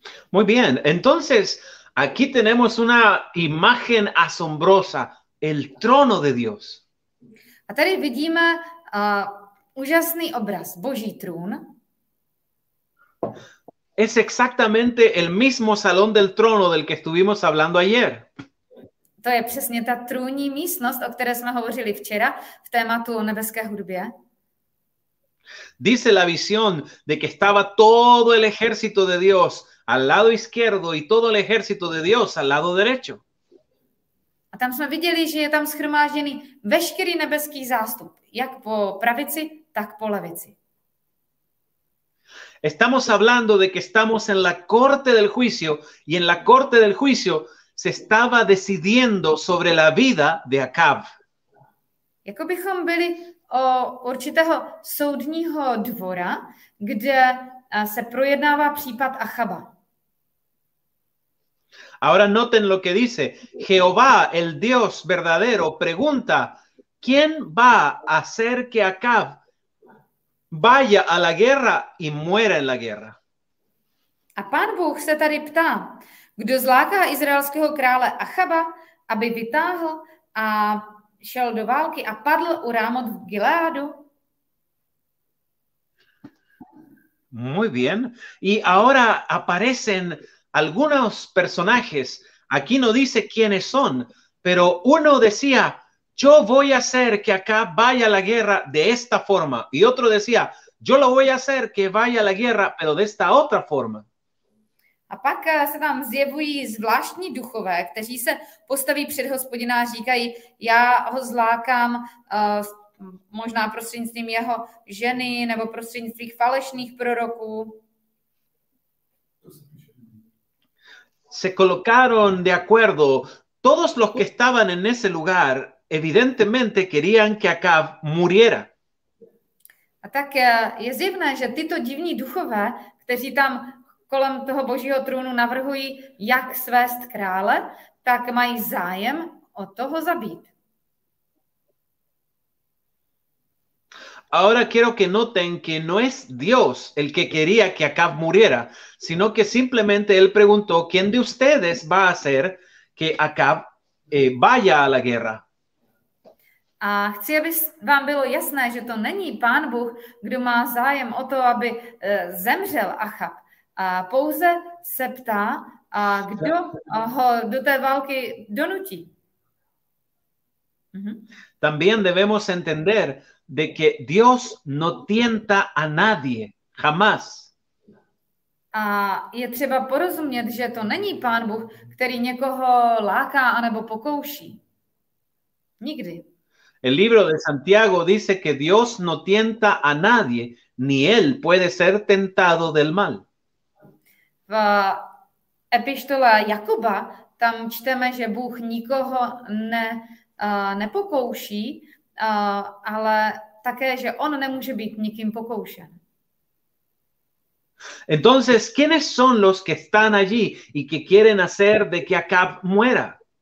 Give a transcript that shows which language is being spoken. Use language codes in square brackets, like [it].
[es] Muy bien, entonces aquí tenemos una imagen asombrosa, el trono de Dios. [cs] A tady vidíme úžasný obraz, Boží trůn. [es] Es exactamente el mismo salón del trono del que estuvimos hablando ayer. [cs] To je přesně ta trůní místnost, o které jsme hovořili včera v tématu nebeské hudbě. [es] Dice la visión de que estaba todo el ejército de Dios al lado izquierdo y todo el ejército de Dios al lado derecho. [cs] A tam jsme viděli, že je tam shromážděný veškerý nebeský zástup, jak po pravici, tak po levici. [es] Estamos hablando de que estamos en la corte del juicio y en la corte del juicio se estaba decidiendo sobre la vida de Acab. [cs] Jako bychom byli o určitého soudního dvora, kde se projednává případ Achaba. [es] Ahora noten lo que dice. Jehová, el Dios verdadero, pregunta, ¿quién va a hacer que Acab vaya a la guerra y muera en la guerra? [cs] A Pán Bůh se tady ptá, kdo zláká izraelského krále Achaba, aby vytáhl a šel do války a padl u Rámot v Gileádu? [es] Muy bien. Y ahora aparecen algunos personajes. Aquí no dice quiénes son, pero uno decía, yo voy a hacer que acá vaya la guerra de esta forma. Y otro decía, yo lo voy a hacer que vaya la guerra, pero de esta otra forma. [cs] A pak se tam zjevují zvláštní duchové, kteří se postaví před Hospodina a říkají, já ho zlákám možná prostřednictvím jeho ženy nebo prostřednictvím falešných proroků. [es] se colocaron de acuerdo. Todos los que estaban en ese lugar evidentemente querían que Acab muriera. [cs] A tak je zjevné, že tyto divní duchové, kteří tam kolem toho božího trůnu navrhují, jak svést krále, tak mají zájem o toho zabít. [es] Ahora quiero que noten que no es Dios el que quería que Acab muriera, sino que simplemente él preguntó, ¿quién de ustedes va a hacer que Acab vaya a la guerra? [cs] A chci, aby vám bylo jasné, že to není Pán Bůh, kdo má zájem o to, aby zemřel Achab. A pouze se ptá, a kdo ho do té války donutí. [es] También debemos entender de que Dios no tienta a nadie, jamás. [cs] A je třeba porozumět, že to není Pán Bůh, který někoho láká anebo pokouší. Nikdy. [es] El libro de Santiago dice que Dios no tienta a nadie, ni él puede ser tentado del mal. [cs] V epištole Jakuba tam čteme, že Bůh nikoho nepokouší, ale také, že on nemůže být nikým pokoušen. [es] Entonces, ¿quiénes son los que están allí y que quieren hacer de que Acab muera?